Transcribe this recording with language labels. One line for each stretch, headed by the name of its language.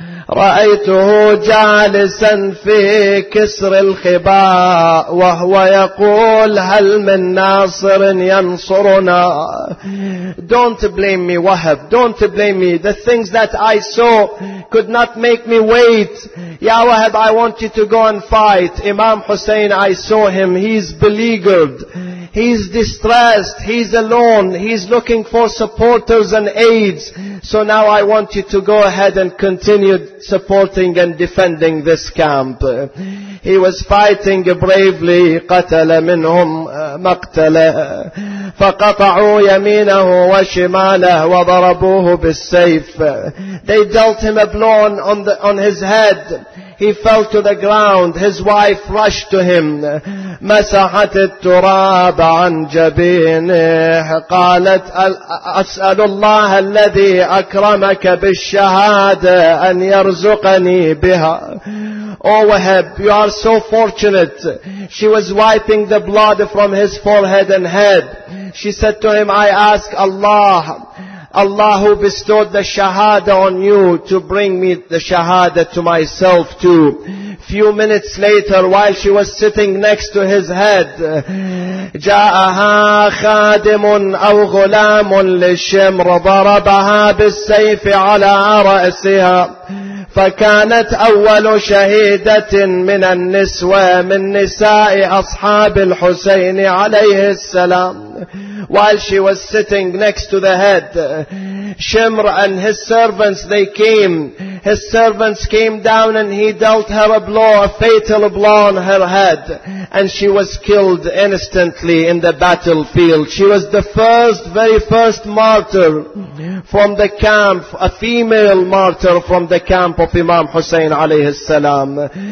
Arabic: رأيته جالسا في كسر الخباء وهو يقول هل من ناصر ينصرنا.
English: Don't blame me, Wahab. Don't blame me. The things that I saw could not make me wait. Ya Wahab, I want you to go and fight. Imam Hussein, I saw him. He's beleaguered. He's distressed. He's alone. He's looking for supporters and aids. So now I want you to go ahead and continue supporting and defending this camp. He was fighting bravely.
Arabic: قتل منهم مقتله فقطعوا يمينه وشماله وضربوه بالسيف.
English: They dealt him a blow on his head. He fell to the ground. His wife rushed to him.
Arabic: مسحت التراب عن جبينه قالت أسأل الله الذي أكرمك بالشهادة أن يرزقني بها.
English: Oh Wahab, you are so fortunate. She was wiping the blood from his forehead and head. She said to him, I ask Allah, Allah who bestowed the shahada on you, to bring me the shahada to myself too. Few minutes later, while she was sitting next to his head,
Arabic: جاءها خادم أو غلام للشمر ضربها بالسيف على رأسها فكانت أول شهيدة من النسوة من نساء أصحاب الحسين عليه السلام.
English: While she was sitting next to the head, Shimr and his servants, they came. His servants came down and he dealt her a blow, a fatal blow on her head. And she was killed instantly in the battlefield. She was the very first martyr from the camp, a female martyr from the camp of Imam Hussein alayhi salam.